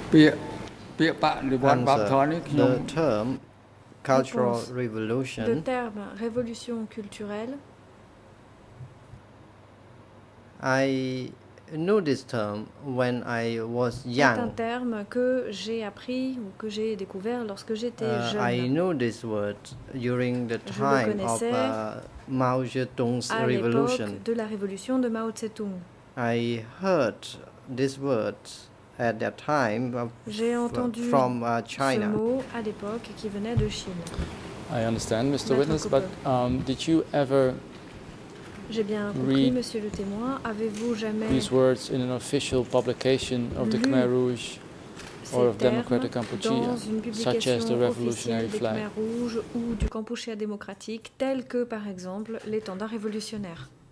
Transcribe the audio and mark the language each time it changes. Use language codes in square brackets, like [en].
[en] Answer. The term cultural revolution. [fr] The term révolution culturelle. [en] I knew this term when I was young. [fr] C'est un terme que j'ai appris ou que j'ai découvert lorsque j'étais jeune. [en] I knew this word during the time of Mao Zedong's revolution. [fr] À l'époque de la révolution de Mao Zedong. [en] I heard this word at that time from China. [fr] J'ai entendu ce mot à l'époque qui venait de Chine. [en] I understand, Mr. Maître Witness, Cooper. but did you ever [fr] j'ai bien compris, Monsieur le Témoin. Avez-vous jamais [en] these words in an official publication of the Khmer Rouge or of Democratic Cambodia, such as the revolutionary flag? [fr] Khmer Rouge ou du Cambodia démocratique, tel que, par exemple, l'étendard révolutionnaire.